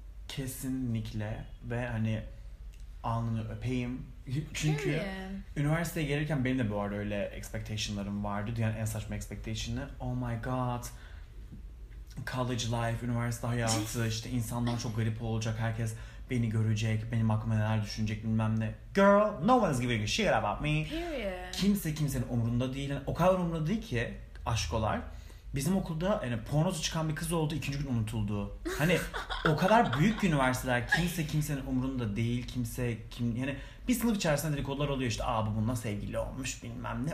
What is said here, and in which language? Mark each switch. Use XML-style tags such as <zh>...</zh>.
<tr>Kesinlikle ve hani alnını öpeyim. Çünkü</tr> <en>Period.</en> <tr>üniversiteye gelirken benim de bu arada öyle expectationlarım vardı. Yani en saçma expectationı.</tr> <en>Oh my god. College life,</en> <tr>üniversite hayatı, işte insanlar çok garip olacak. Herkes beni görecek, benim hakkımda neler düşünecek bilmem ne.</tr> <en>Girl, no one's giving a shit about me. Period.</en> <tr>Kimse kimsenin umurunda değil. Yani o kadar umurunda değil ki aşkolar. Bizim okulda yani pornosu çıkan bir kız oldu, ikinci gün unutuldu. Hani o kadar büyük üniversiteler, kimse kimsenin umurunda değil, kimse kim yani bir sınıf içerisinde dedikodular oluyor işte, aa bu bununla sevgili olmuş bilmem ne.</tr>